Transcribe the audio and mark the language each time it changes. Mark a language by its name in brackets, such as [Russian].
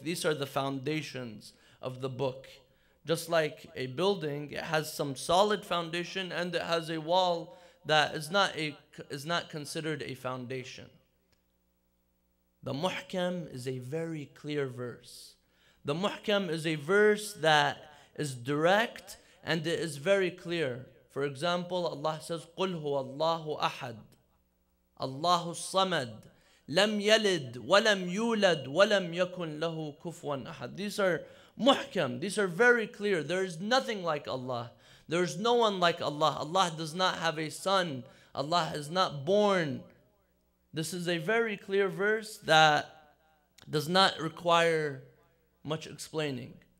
[English] These are the foundations of the book. Just like a building, it has some solid foundation and it has a wall that is not considered a foundation. The muhkam is a very clear verse. The muhkam is a verse that is direct and it is very clear. For example, Allah says, [Arabic] قُلْ هُوَ اللَّهُ أَحَدٌ الله الصمد لم يلد ولم يولد ولم يكن له كفوا أحد. [English] These are muhkam. These are very clear. There is nothing like Allah. There is no one like Allah. Allah does not have a son. Allah is not born. This is a very clear verse that does not require much explaining.